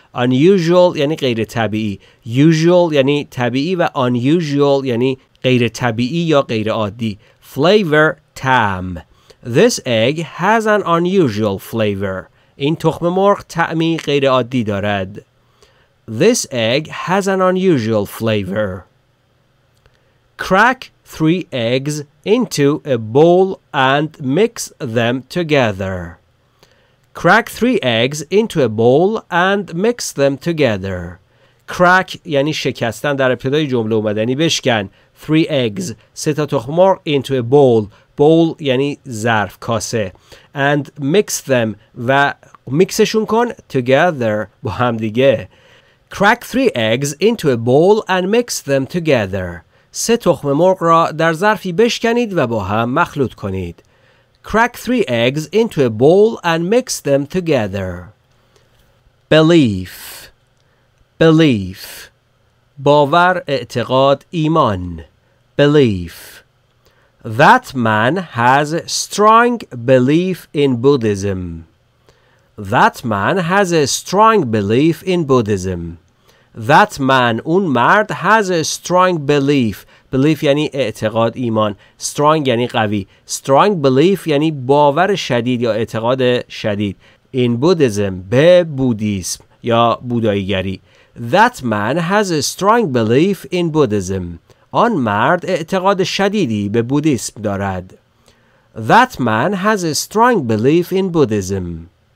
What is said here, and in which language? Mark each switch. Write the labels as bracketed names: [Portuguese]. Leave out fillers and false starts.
[Persian] Unusual یعنی غیر طبیعی. Usual یعنی طبیعی و unusual یعنی غیر طبیعی یا غیر عادی. [English] Flavor, طعم. This egg has an unusual flavor. [Persian] این تخم مرغ طعمی غیر عادی دارد. [English] This egg has an unusual flavor. Crack 3 eggs into a bowl and mix them together. Crack 3 eggs into a bowl and mix them together. [Persian] Crack یعنی شکستن, در ابتدای جمله اومده, یعنی بشکن. [English] 3 eggs, [Persian] 3 تا تخم مرغ, [English] into a bowl, [Persian] bowl یعنی ظرف, کاسه. [English] And mix them, [Persian] و میکسشون کن, [English] together, [Persian] با هم دیگه. [English] Crack 3 eggs into a bowl and mix them together. [Persian] سه تخم مرغ را در ظرفی بشکنید و با هم مخلوط کنید. [English] Crack 3 eggs into a bowl and mix them together. Belief. Belief. [Persian] باور, اعتقاد, ایمان. [English] Belief. That man has strong belief in Buddhism. That man has a strong belief in Buddhism. That man, [Persian] اون مرد, [English] has a strong belief. [Persian] Belief یعنی اعتقاد, ایمان. Strong یعنی قوی. Strong belief یعنی باور شدید یا اعتقاد شدید. [English] In Buddhism, [Persian] به بودیسم یا بوداییگری. [English] That man has a strong belief in Buddhism. [Persian] آن مرد اعتقاد شدیدی به بودیسم دارد. [English] That man has a strong belief in Buddhism.